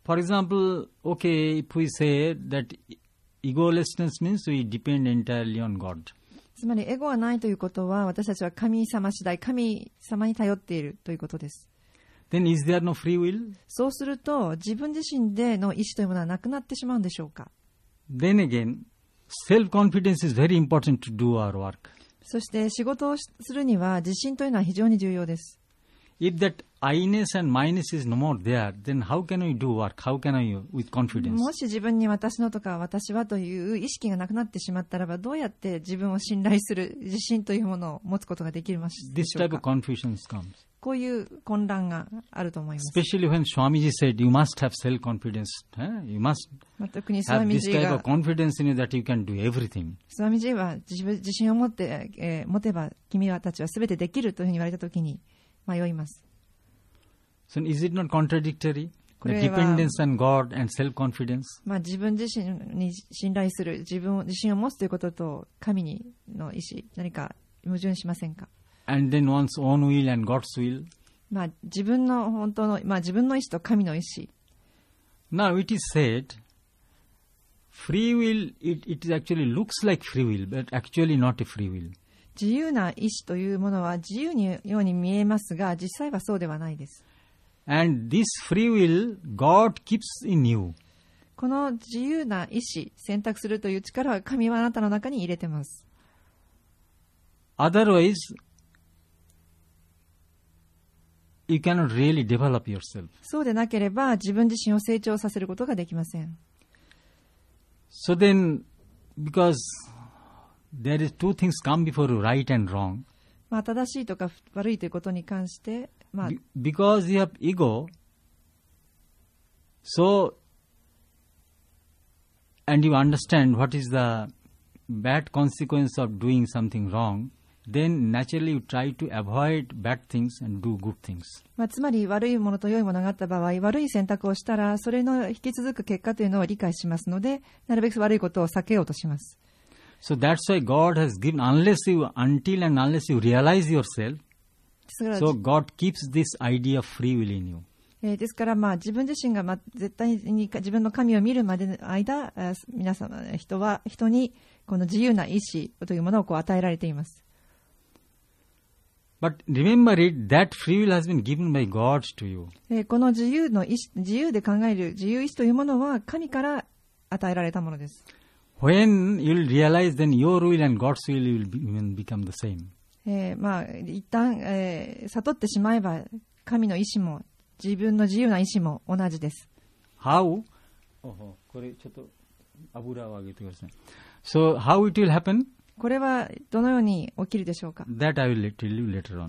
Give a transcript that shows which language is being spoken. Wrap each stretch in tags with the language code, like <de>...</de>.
<en>For example, okay, if we say that. Egolessness means we depend entirely on God.</en> <ja>つまりエゴはないということは私たちは神様次第神様に頼っているということです。</ja> <en>Then is there no free will?</en> <ja>そうすると自分自身での意思というものはなくなってしまうんでしょうか?</ja> <en>Then again, self-confidence is very important to do our work.</en> <ja>そして仕事をするには自信というのは非常に重要です。</ja> <en>If that I-ness and my-ness is no more there, then how can we do work? How can I with confidence?</en> <ja>もし自分に私のとか私はという意識がなくなってしまったらば、どうやって自分を信頼する自信というものを持つことができるでしょうか?</ja> <en>This type of confusion comes.</en> <ja>こういう混乱があると思います。</ja> <en>Especially when Swamiji said, you must have self-confidence. You must have this type of confidence in you that you can do everything.</en> <ja>Swamiji は自信を持って、持てば君たちはすべてできるというふうに言われたときに、迷います。</ja> <en>So is it not contradictory? The dependence on God and self-confidence.</en> <ja>まあ自分自身に信頼する自分自身を持つということと神にの意志何か矛盾しませんか?</ja> <en>And then one's own will and God's will.</en> <ja>まあ自分の本当のまあ自分の意志と神の意志。</ja> <en>Now it is said, free will. It actually looks like free will, but actually not a free will.</en> <ja>自由な意志というものは自由にように見えますが、実際はそうではないです。</ja> <en>And this free will, God keeps in you.</en> <ja>この自由な意志、選択するという力は神はあなたの中に入れてます。</ja> <en>Otherwise, you cannot really develop yourself.</en> <ja>そうでなければ自分自身を成長させることができません。</ja> <en>So then, because... There is two things come before you, right and wrong.</en> <ja>まあ正しいとか悪いということに関して、まあ、</ja> <en>because you have ego, so and you understand what is the bad consequence of doing something wrong, then naturally you try to avoid bad things and do good things.</en> <ja>まあつまり悪いものと良いものがあった場合、悪い選択をしたら、それの引き続く結果というのを理解しますので、なるべく悪いことを避けようとします。</ja> <en>So that's why God has given, until and unless you realize yourself, so God keeps this idea of free will in you.</en> <ja>ですから、まあ、自分自身が、まあ、絶対に自分の神を見るまでの間、皆様、人にこの自由な意志というものをこう与えられています。</ja> <en>But remember it, that free will has been given by God to you.</en> <ja>この自由の意思、自由で考える自由意志というものは神から与えられたものです。</ja> <en>When you'll realize, then your will and God's will become the same.</en> <ja>まあ、一旦、悟ってしまえば神の意志も自分の自由な意志も同じです。</ja> <en>How? Oh, oh,</en> <ja>これちょっと油をあげてください。</ja> <en>So how it will happen?</en> <ja>これはどのように起きるでしょうか。</ja> <en>That I will tell you later on.</en>